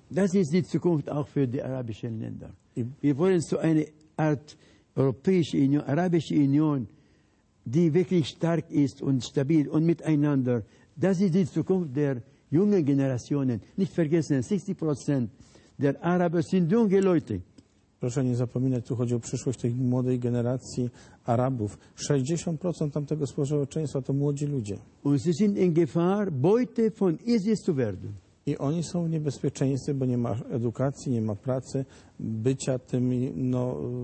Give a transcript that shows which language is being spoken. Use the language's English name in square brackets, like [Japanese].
[German] Das ist die Zukunft auch für die arabischen Länder. Wir wollen so eine Art europäische Union, arabische Union, die wirklich stark ist und stabil und miteinander. Das ist die Zukunft der jungen Generationen. Nicht vergessen, 60% der Araber sind junge Leute. [Polish] Proszę nie zapominać, tu chodzi o przyszłość tej młodej generacji Arabów. 60% tamtego społeczeństwa to młodzi ludzie. [German] Und sie sind in Gefahr, Beute von ISIS zu werden. [Polish] I oni są w niebezpieczeństwie, bo nie ma edukacji, nie ma pracy, bycia tymi no,